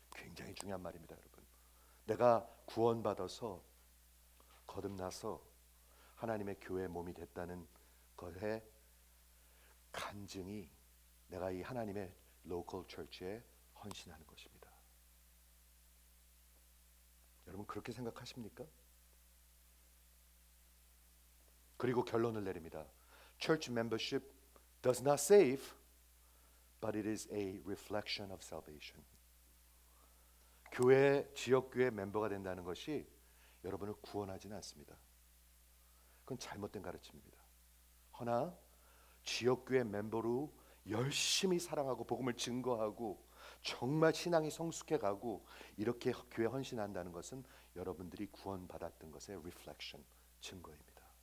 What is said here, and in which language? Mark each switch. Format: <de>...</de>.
<ko>굉장히 중요한 말입니다, 여러분. 내가 구원받아서 거듭나서 하나님의 교회 몸이 됐다는 것의 간증이 내가 이 하나님의 local church에 헌신하는 것입니다. 여러분 그렇게 생각하십니까? 그리고 결론을 내립니다.</ko> <en>Church membership does not save, but it is a reflection of salvation.</en> <ko>교회, 지역교회 멤버가 된다는 것이 여러분을 구원하지는 않습니다. 그건 잘못된 가르침입니다. 허나 지역교회 멤버로 열심히 사랑하고 복음을 증거하고 정말 신앙이 성숙해가고 이렇게 교회 헌신한다는 것은 여러분들이 구원받았던 것의 reflection, 증거입니다.</ko>